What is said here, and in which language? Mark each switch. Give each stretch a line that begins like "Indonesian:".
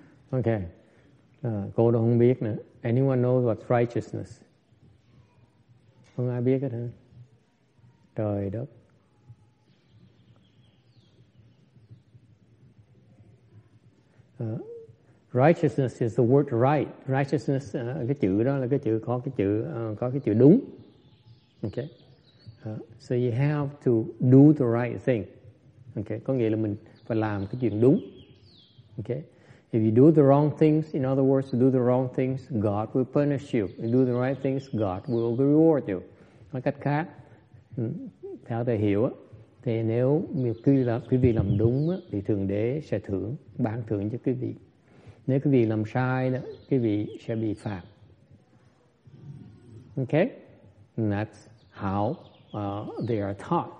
Vietnamese: Okay. Cô đâu không biết nữa.
English: Anyone know what's righteousness?
Vietnamese: Không ai biết hết hả? Trời đất.
English: Righteousness is the word right.
Vietnamese: Righteousness, cái chữ đó là cái chữ có cái chữ có cái chữ đúng.
English: Okay. So you have to do the right thing. Okay.
Vietnamese: Có nghĩa là mình phải làm cái chuyện đúng.
English: Okay. If you do the wrong things, in other words, do the wrong things, God will punish you. If you do the right things, God will reward you.
Vietnamese: Nói cách khác, theo tôi hiểu, thì nếu quý vị làm đúng thì Thượng Đế sẽ thưởng, ban thưởng cho quý vị. Nếu quý vị làm sai, quý vị sẽ bị phạt.
English: Okay? And that's how they are taught.